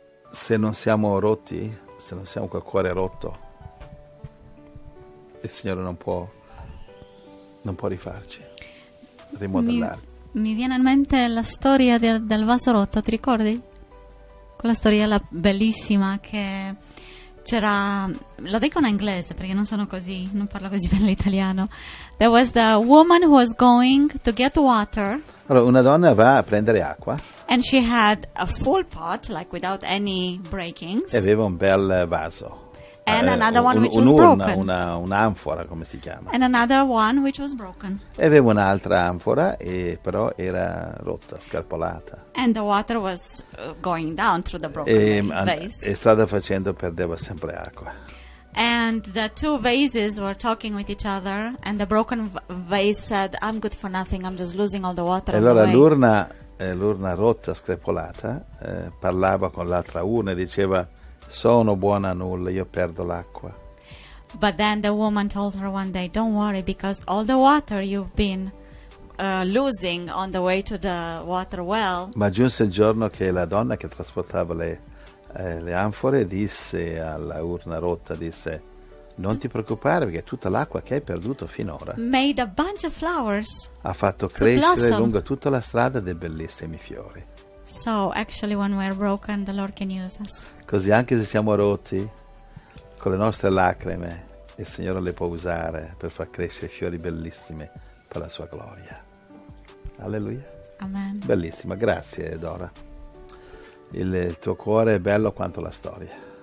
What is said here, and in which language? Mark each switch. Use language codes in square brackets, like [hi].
[it] Se non siamo rotti, se non siamo col cuore rotto, il Signore non può rifarci, rimodellarci. Mi viene in mente la storia del vaso rotto, ti ricordi? Quella storiella bellissima che c'era, lo dico in inglese perché non sono così, non parlo così bene l'italiano. [en] There was the woman who was going to get water. [it] Allora, una donna va a prendere acqua. [en] And she had a full pot, like without any breakings. [it] E aveva un bel vaso. [en] And another one which was broken. [it] Un'anfora, come si chiama. [en] And another one which was broken. [it] E aveva un'altra anfora, e però era rotta, scarpolata. [en] And the water was going down through the broken vase. [it] E strada facendo perdeva sempre acqua. [en] And the two vases were talking with each other, and the broken vase said, I'm good for nothing, I'm just losing all the water. [it] E allora l'urna rotta, screpolata, parlava con l'altra urna e diceva, sono buona a nulla, io perdo l'acqua. [en] But then the woman told her one day, don't worry, because all the water you've been losing on the way to the water well. [it] Ma giunse il giorno che la donna che trasportava le anfore disse alla urna rotta, disse, non ti preoccupare perché tutta l'acqua che hai perduto finora [en] made a bunch of flowers, [it] ha fatto crescere lungo tutta la strada dei bellissimi fiori. [en] So actually when we're broken the Lord can use us. [it] Così anche se siamo rotti, con le nostre lacrime il Signore le può usare per far crescere fiori bellissimi per la sua gloria. Alleluia. Amen. Bellissima, grazie Dora. Il tuo cuore è bello quanto la storia.